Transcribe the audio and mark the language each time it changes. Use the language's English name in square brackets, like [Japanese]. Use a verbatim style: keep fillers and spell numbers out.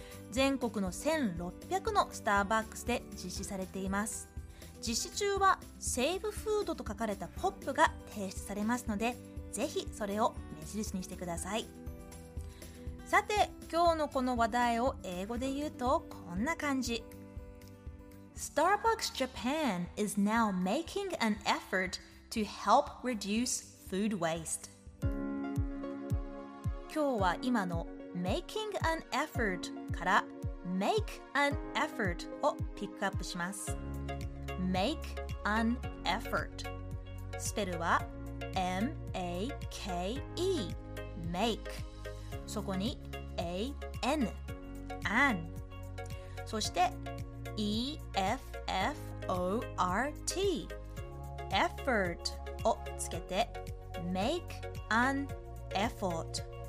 [Japanese] 全国のせんろっぴゃくのスターバックスで実施されています。実施中はセーブフードと書かれたポップが提出されますので、ぜひそれを目印にしてください。さて、今日のこの話題を英語で言うとこんな感じ。 [English] Starbucks Japan is now making an effort to help reduce food waste. [Japanese] 今日は今の making an effort から make an effort をピックアップします。 Make an effort スペルは エム エー ケー イー make そこに エー エヌ an そして イー エフ エフ オー アール ティー effort をつけて make an effort